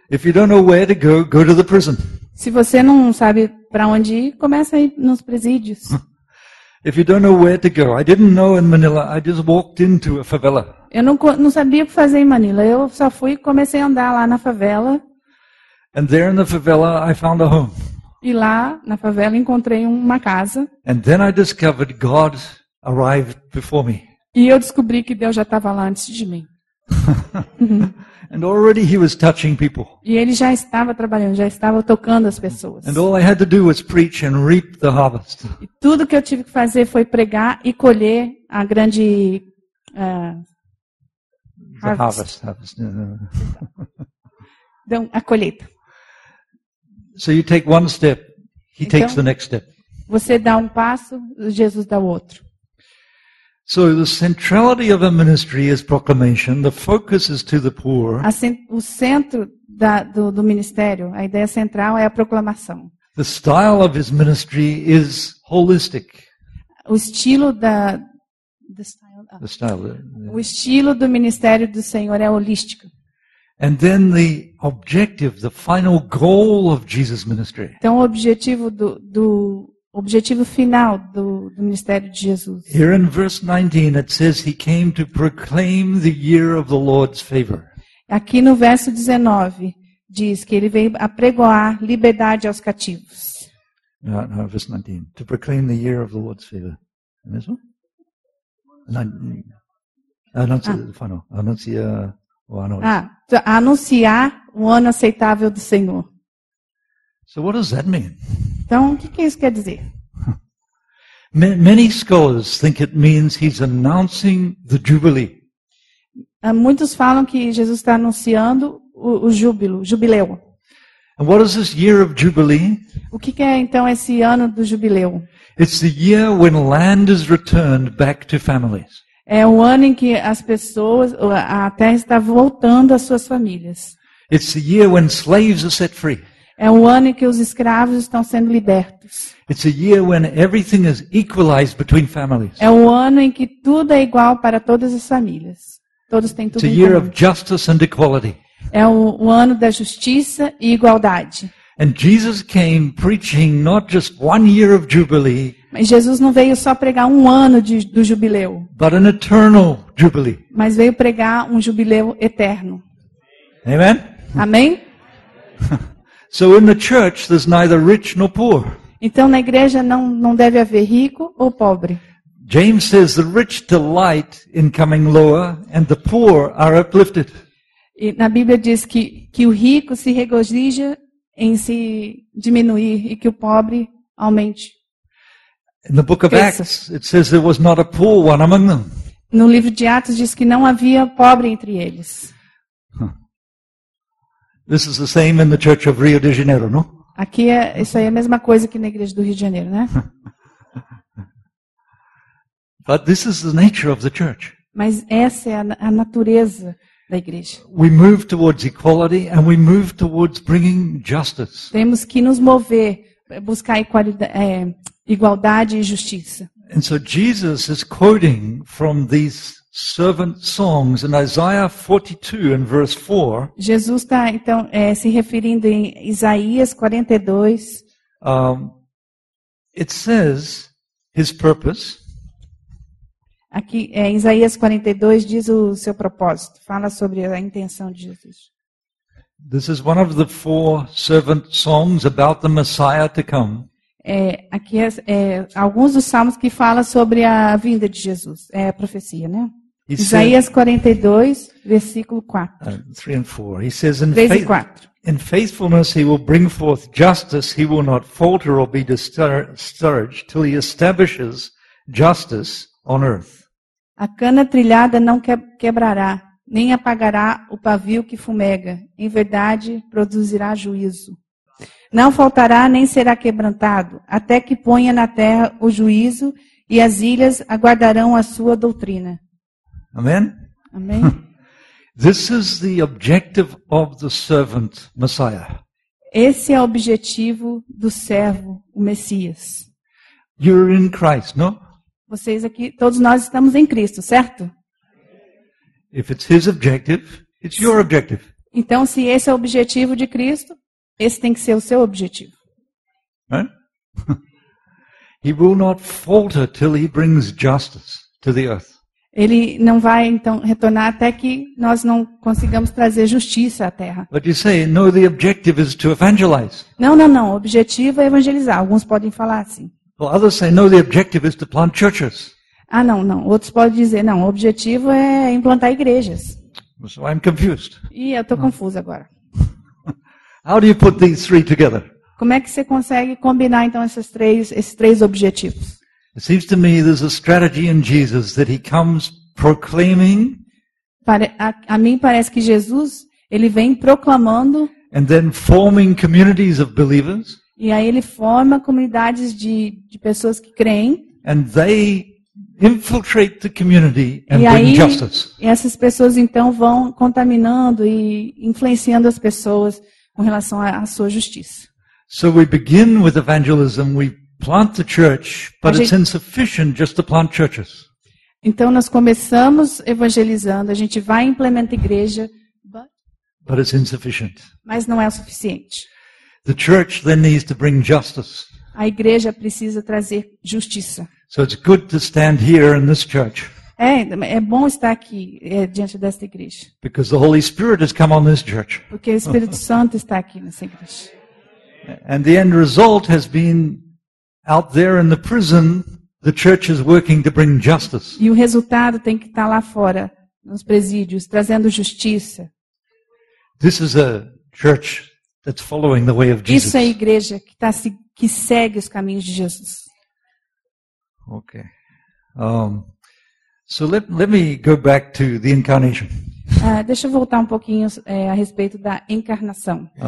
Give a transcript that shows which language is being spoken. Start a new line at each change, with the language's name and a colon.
English: If you don't know where to go, go to the prison.
Portuguese: Se você não sabe para onde ir, comece aí nos presídios.
English: If you don't know where to go, I didn't know in Manila. I just walked into a favela.
Portuguese: Eu não sabia o que fazer em Manila. Eu só fui e comecei a andar lá na favela.
English: And there in the favela, I found a home.
Portuguese: E lá, na favela, encontrei uma casa.
English: And then I discovered God arrived before me.
Portuguese: E eu descobri que Deus já estava lá antes de mim.
English: And already he was touching people.
Portuguese: E ele já estava trabalhando, já estava tocando as pessoas.
English: And all I had to do was preach and reap the harvest.
Portuguese: E tudo que eu tive que fazer foi pregar e colher a grande
English: harvest.
Portuguese: Então, a colheita.
English: So you take one step, he
Portuguese: então,
English: takes the next step.
Portuguese: Você dá um passo, Jesus dá o outro.
English: So the centrality of a ministry is proclamation, the focus is to the poor.
Portuguese: Assim, o centro do ministério, a ideia central é a proclamação.
English: The style of his ministry is holistic.
Portuguese: O estilo do ministério do Senhor é holístico.
English: And then the objective, the final goal of Jesus' ministry.
Portuguese: Então, o objetivo objetivo final do ministério de Jesus.
English: Here in verse 19, it says he came to proclaim the year of the Lord's favor.
Portuguese: Aqui no verso 19 diz que ele veio apregoar liberdade aos cativos.
English: No, verse 19, to proclaim the year of the Lord's favor. And this one?
Portuguese: Anunciar o ano aceitável do Senhor.
English: So what does that mean?
Portuguese: Então, o que isso quer dizer?
English: Many scholars think it means he's announcing the jubilee.
Portuguese: Muitos falam que Jesus está anunciando o júbilo, o jubileu.
English: And what is this year of jubilee?
Portuguese: O que é então esse ano do jubileu?
English: It's the year when land is returned back to families.
Portuguese: É o ano em que as pessoas, a terra está voltando às suas famílias.
English: It's the year when slaves are set free.
Portuguese: É o ano em que os escravos estão sendo libertos.
English: It's a year when everything is equalized between families.
Portuguese: É o ano em que tudo é igual para todas as famílias. Todos têm tudo
English: It's a
Portuguese: em
English: year
Portuguese: comum.
English: Of justice and equality.
Portuguese: É o ano da justiça e igualdade.
English: And Jesus came preaching not just one year of jubilee.
Portuguese: Mas Jesus não veio só pregar um ano do jubileu.
English: But an eternal jubilee.
Portuguese: Mas veio pregar um jubileu eterno.
English: Amen.
Portuguese: Amém.
English: So in the church there's neither rich nor poor.
Portuguese: Então na igreja não deve haver rico ou pobre.
English: James says the rich delight in coming lower and the poor are uplifted.
Portuguese: E na Bíblia diz que o rico se regozija em se diminuir e que o pobre aumente.
English: In the book of Acts, it says there was not a poor one among them.
Portuguese: No livro de Atos diz que não havia pobre entre eles.
English: This is the same in the church of Rio de Janeiro, no?
Portuguese: Aqui é isso aí, é a mesma coisa que na igreja do Rio de Janeiro, né?
English: But this is the nature of the church.
Portuguese: Mas essa é a natureza da igreja.
English: We move towards equality and we move towards bringing justice.
Portuguese: Temos que nos mover, buscar igualdade e justiça.
English: And so Jesus is quoting from these servant songs in Isaiah 42 and verse 4.
Portuguese: Jesus está então se referindo em Isaías 42.
English: It says his purpose.
Portuguese: Aqui, é, Isaías 42 diz o seu propósito, fala sobre a intenção de Jesus.
English: This is one of the four servant songs about the Messiah to come.
Portuguese: É, aqui é, é alguns dos salmos que fala sobre a vinda de Jesus, é a profecia, né? He Isaías 42, versículo
English: 4. 3 and 4. He says in 4. In faithfulness he will bring forth justice, he will not falter or be discouraged till he establishes justice on earth.
Portuguese: A cana trilhada não quebrará, nem apagará o pavio que fumega. Em verdade, produzirá juízo. Não faltará, nem será quebrantado, até que ponha na terra o juízo e as ilhas aguardarão a sua doutrina. Amém? Amém.
English: This is the objective of the servant Messiah.
Portuguese: Esse é o objetivo do servo, o Messias.
English: You're in Christ, no?
Portuguese: Vocês aqui, todos nós estamos em Cristo, certo?
English: If it's his objective, it's your objective.
Portuguese: Então, se esse é o objetivo de Cristo, esse tem que ser o seu objetivo. Huh?
English: He will not falter till he brings justice to the earth.
Portuguese: Ele não vai, então, retornar até que nós não consigamos trazer justiça à Terra.
English: But you say, no, the objective is to evangelize.
Portuguese: Não. O objetivo é evangelizar. Alguns podem falar assim.
English: Well, others say, no, the objective is to plant churches.
Portuguese: Ah, não. Outros podem dizer, não, o objetivo é implantar igrejas.
English: So I'm confused.
Portuguese: Ih, eu estou confuso agora.
English: How do you put these three together?
Portuguese: Como é que você consegue combinar, então, esses três objetivos?
English: It seems to me there's a strategy in Jesus that he comes proclaiming.
Portuguese: A mim parece que Jesus, ele vem proclamando.
English: And then forming communities of believers.
Portuguese: E aí ele forma comunidades de pessoas que creem.
English: And they infiltrate the community and
Portuguese: aí,
English: bring justice.
Portuguese: E essas pessoas então vão contaminando e influenciando as pessoas com relação à sua justiça.
English: So we begin with evangelism, we plant the church, but it's insufficient just to plant churches.
Portuguese: Então nós começamos evangelizando, a gente vai implementar igreja,
English: but it's insufficient.
Portuguese: Mas não é o suficiente.
English: The church then needs to bring justice.
Portuguese: A igreja precisa trazer justiça.
English: So it's good to stand here in this church.
Portuguese: É bom estar aqui diante desta igreja.
English: Because the Holy Spirit has come on this church.
Portuguese: Porque o Espírito Santo está aqui nessa igreja.
English: And the end result has been out there in the prison, the church is working to bring justice.
Portuguese: E o resultado tem que estar lá fora, nos presídios, trazendo justiça.
English: This is a church that's following the way of Jesus.
Portuguese: Isso é a igreja que segue os caminhos de Jesus.
English: Okay. So let me go back to the incarnation.
Portuguese: Deixa eu voltar um pouquinho a respeito da encarnação.